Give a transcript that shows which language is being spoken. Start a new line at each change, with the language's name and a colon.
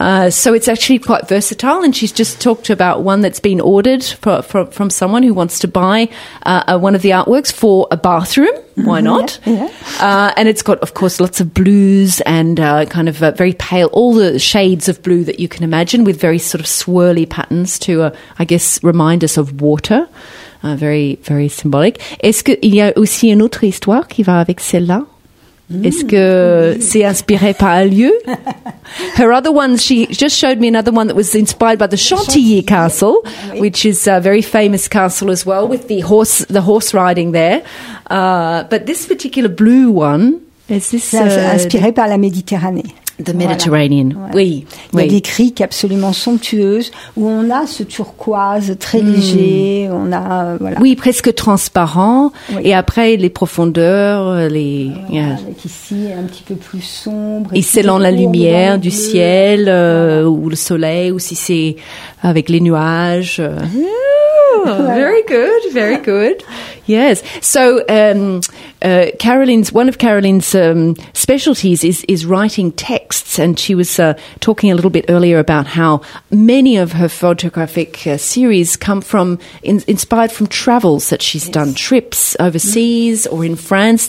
English: So it's actually quite versatile. And she's just talked about one that's been ordered from someone who wants to buy one of the artworks for a bathroom. Why not? Yeah. And it's got, of course, lots of blues and kind of very pale, all the shades of blue that you can imagine, with very sort of swirly patterns to, I guess, remind us of water. Very, very symbolic.
French: Est-ce qu'il y a aussi une autre histoire qui va avec celle-là? Est-ce que c'est inspiré par un lieu?
English: Her other ones, she just showed me another one that was inspired by the Chantilly Castle, which is a very famous castle as well, with the horse riding there. But this particular blue one, is this...
French: inspiré par la Méditerranée.
English: The Mediterranean,
French: Il y a des criques absolument somptueuses où on a ce turquoise très léger, on a... voilà. Oui, presque transparent, et après les profondeurs, les... Avec ici, un petit peu plus sombre. Et selon la lumière du ciel, ou le soleil, ou si c'est avec les nuages.
English: Very good. Yes. So, one of Caroline's specialties is writing texts, and she was talking a little bit earlier about how many of her photographic series come from inspired from travels that she's done, trips overseas or in France.